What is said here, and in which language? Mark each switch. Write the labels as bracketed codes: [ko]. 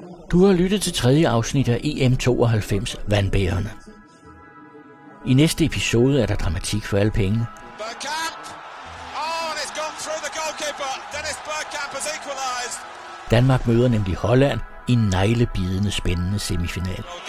[da] Du har lyttet til 3. afsnit af EM92, Vandbærerne. I næste episode er der dramatik for alle pengene. Bergkamp! [en] Oh, and it's gone through the goalkeeper. Dennis Bergkamp has equalized. [da] Danmark møder nemlig Holland i en neglebidende spændende semifinal.